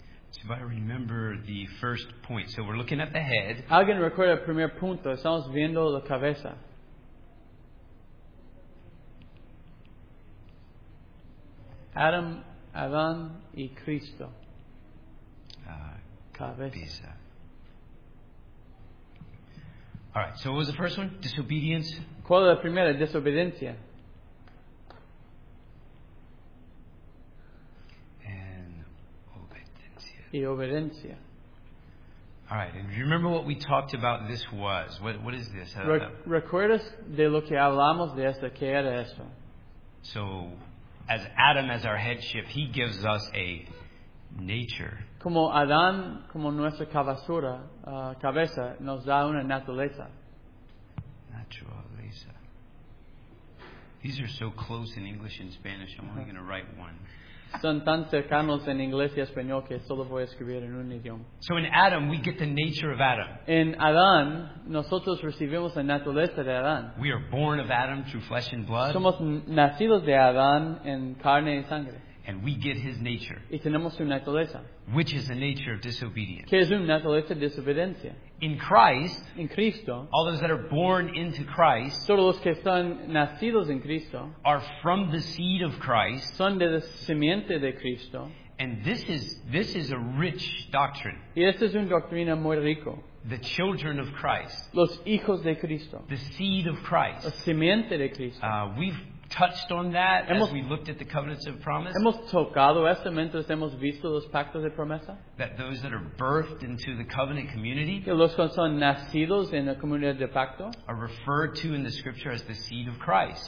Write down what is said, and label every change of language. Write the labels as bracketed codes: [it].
[en] So if I remember the first point, so we're looking at the head. [es] Alguien recuerda el primer punto, estamos viendo la cabeza. Adam, Adán y Cristo. Cabeza. [en] All right, so what was the first one? Disobedience. [es] ¿Cuál es la primera? Desobediencia. And obediencia. Y obediencia. [en] All right, and remember what we talked about this was. What is this? [es] ¿Recuerdas de lo que hablamos de esto? ¿Qué era eso? [en] So, as Adam, as our headship, he gives us a nature. [es] Como Adán, como nuestra cabezura, cabeza, nos da una naturaleza. Naturaleza. [en] These are so close in English and Spanish, I'm only going to write one. [es] Son tan cercanos en inglés y español que solo voy a escribir en un idioma. [en] So in Adam, we get the nature of Adam. [es] En Adán, nosotros recibimos la naturaleza de Adán. [en] We are born of Adam through flesh and blood. [es] Somos nacidos de Adán en carne y sangre. [en] And we get his nature. [es] Y tenemos su naturaleza. [en] Which is the nature of disobedience. [es] Que es una naturaleza de desobediencia. [en] In Christ, [es] en Cristo, [en] all those that are born into Christ, [es] todos los que están nacidos en Cristo, [en] are from the seed of Christ, [es] son de la simiente de Cristo. [en] And this is a rich doctrine. [es] Y esta es una doctrina muy rica. [en] The children of Christ. [es] Los hijos de Cristo. [en] The seed of Christ. [es] La simiente de Cristo. [en] We've touched on that as we looked at the covenants of promise. [es] Hemos tocado esto mientras hemos visto los pactos de promesa. [en] That those that are birthed into the covenant community, [es] que los que son nacidos en la comunidad de pacto, [en] are referred to in the scripture as the seed of Christ.